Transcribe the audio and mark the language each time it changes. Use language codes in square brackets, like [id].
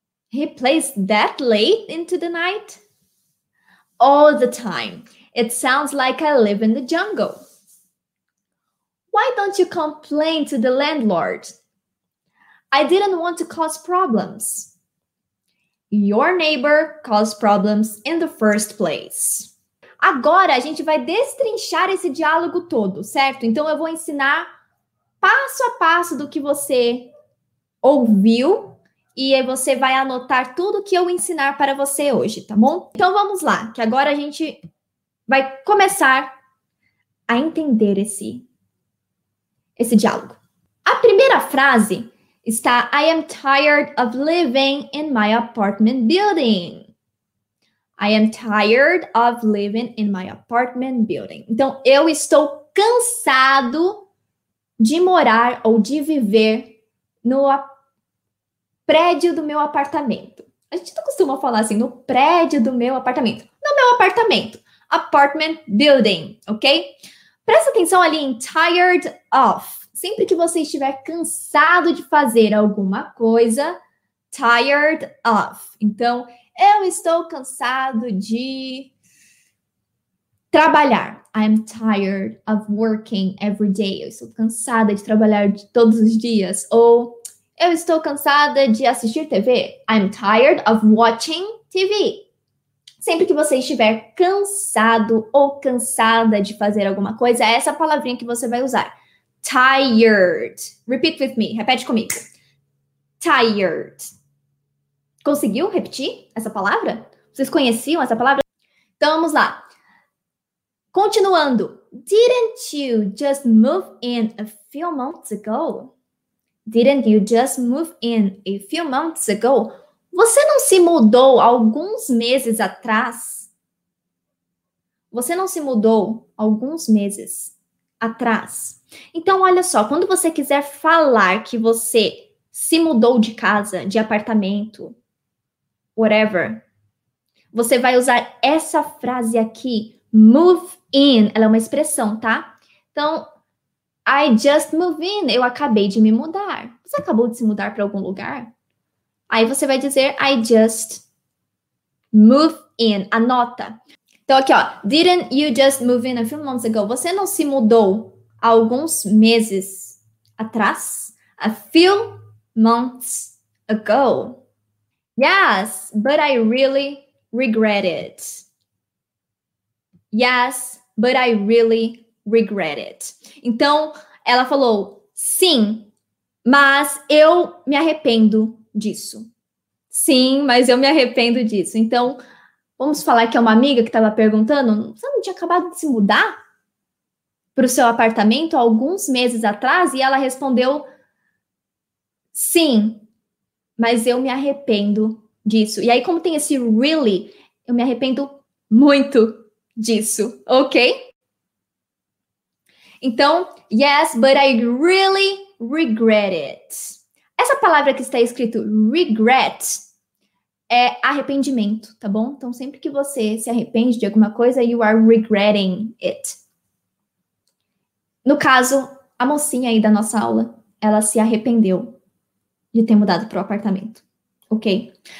[en] He plays that late into the night? All the time. It sounds like I live in the jungle. Why don't you complain to the landlord? I didn't want to cause problems. Your neighbor caused problems in the first place. [pt] Agora a gente vai destrinchar esse diálogo todo, certo? Então eu vou ensinar passo a passo do que você ouviu e aí você vai anotar tudo que eu ensinar para você hoje, tá bom? Então vamos lá, que agora a gente vai começar a entender esse diálogo. A primeira frase está: [en] I am tired of living in my apartment building. I am tired of living in my apartment building. [pt] Então, eu estou cansado de morar ou de viver no prédio do meu apartamento. A gente não costuma falar assim, no prédio do meu apartamento. No meu apartamento. [en] Apartment building, ok? [pt] Presta atenção ali em [en] tired of. [pt] Sempre que você estiver cansado de fazer alguma coisa, tired of. Então, eu estou cansado de trabalhar. [en] I'm tired of working every day. [pt] Eu estou cansada de trabalhar todos os dias. Ou, eu estou cansada de assistir TV. [en] I'm tired of watching TV. [pt] Sempre que você estiver cansado ou cansada de fazer alguma coisa, é essa palavrinha que você vai usar. [en] Tired. Repeat with me. [pt] Repete comigo. [en] Tired. [pt] Conseguiu repetir essa palavra? Vocês conheciam essa palavra? Então, vamos lá. Continuando. [en] Didn't you just move in a few months ago? Didn't you just move in a few months ago? [pt] Você não se mudou alguns meses atrás? Você não se mudou alguns meses atrás? Então, olha só, quando você quiser falar que você se mudou de casa, de apartamento, whatever, você vai usar essa frase aqui, move in, ela é uma expressão, tá? Então, [en] I just moved in, [pt] eu acabei de me mudar. Você acabou de se mudar para algum lugar? Aí você vai dizer, [en] I just moved in, [pt] anota. Então, aqui, ó, [en] didn't you just move in a few months ago? [pt] Você não se mudou alguns meses atrás, [en] a few months ago. Yes, but I really regret it. Yes, but I really regret it. [pt] Então, ela falou, sim, mas eu me arrependo disso. Sim, mas eu me arrependo disso. Então, vamos falar que é uma amiga que estava perguntando, você não tinha acabado de se mudar para o seu apartamento alguns meses atrás, e ela respondeu, sim, mas eu me arrependo disso. E aí, como tem esse really, eu me arrependo muito disso, ok? [en] Então, yes, but I really regret it. [pt] Essa palavra que está escrito regret é arrependimento, tá bom? Então, sempre que você se arrepende de alguma coisa, [en] you are regretting it. [pt] No caso, a mocinha aí da nossa aula, ela se arrependeu de ter mudado para o apartamento, ok?